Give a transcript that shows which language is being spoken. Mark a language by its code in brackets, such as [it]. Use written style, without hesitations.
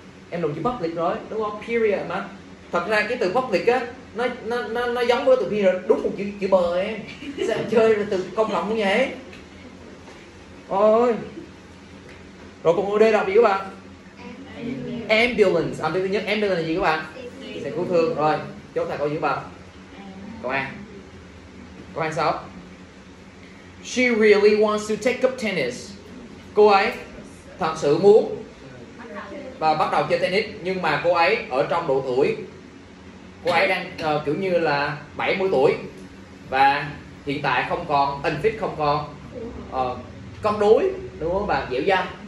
[vi] Em đụng chữ public rồi, đúng không? Period mà. Thật ra cái từ public á nó giống với từ period, đúng một chữ bờ em. Sao chơi là từ công cộng cũng vậy. Ôi. Rồi còn D đọc gì các bạn? Ambulance. Ambulance. Nhất ambulance là gì các bạn? Xe cứu thương. Rồi, chốt thầy câu gì các bạn? Câu A. Câu A sao? [en] She really wants to take up tennis. [vi] Cô ấy thật sự muốn và bắt đầu chơi tennis, nhưng mà cô ấy ở trong độ tuổi, cô ấy đang kiểu như là 70 tuổi và hiện tại không còn unfit, không còn cân đối, đúng không bạn? Dẻo dai.